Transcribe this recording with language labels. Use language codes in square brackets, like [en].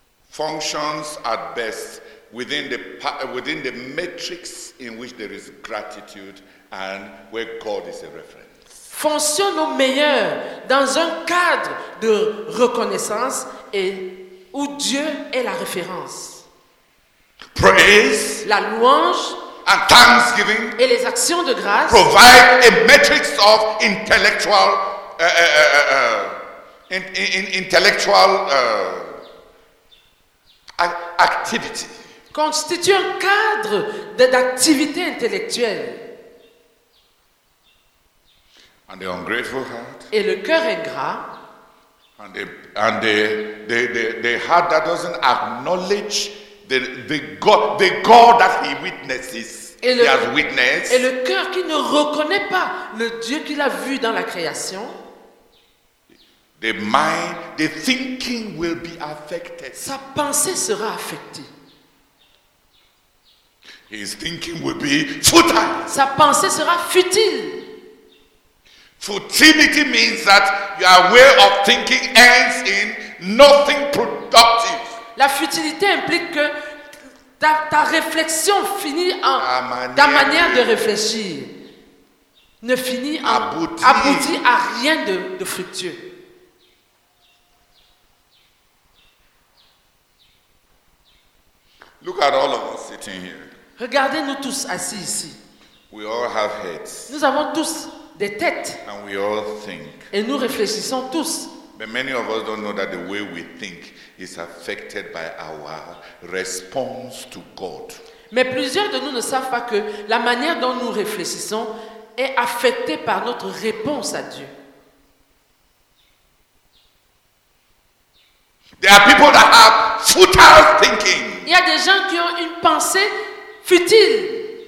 [en] functions at best within the matrix in which there is gratitude and where God is a reference. [fr] Fonctionne au meilleur dans un cadre de reconnaissance et où Dieu est la référence. [en] Praise, [fr] la louange, [en] and thanksgiving, [fr] et les actions de grâce [en] provide a matrix of intellectual activity. [fr] Constitue un cadre d'activité intellectuelle. [en] And the ungrateful heart, [fr] et le cœur ingrat, [en] and the heart that doesn't acknowledge the God that he witnesses, he has witnessed, [fr] et le cœur qui ne reconnaît pas le Dieu qu'il a vu dans la création, [en] Their mind, their thinking will be affected. [fr] Sa pensée sera affectée. [en] His thinking will be futile. [fr] Sa pensée sera futile. [en] Futility means that your way of thinking ends in nothing productive. [fr] La futilité implique que ta réflexion finit en ta manière de réfléchir ne finit en aboutit à rien de fructueux. [en] Look at all of us sitting here. [fr] Regardez-nous tous assis ici. [en] We all have heads. [fr] Nous avons tous des têtes. [en] And we all think. [fr] Et nous réfléchissons tous. [en] But many of us don't know that the way we think is affected by our response to God. [fr] Mais plusieurs de nous ne savent pas que la manière dont nous réfléchissons est affectée par notre réponse à Dieu. [en] There are people that have futile thinking. [fr] Il y a des gens qui ont une pensée futile.